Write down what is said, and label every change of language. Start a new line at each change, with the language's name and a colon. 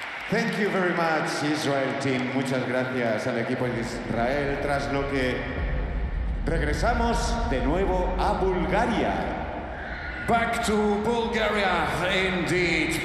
English: Thank you very much, Israel team.
Spanish: Muchas gracias al equipo de Israel, tras lo que regresamos de nuevo a Bulgaria.
English: Back to Bulgaria, indeed.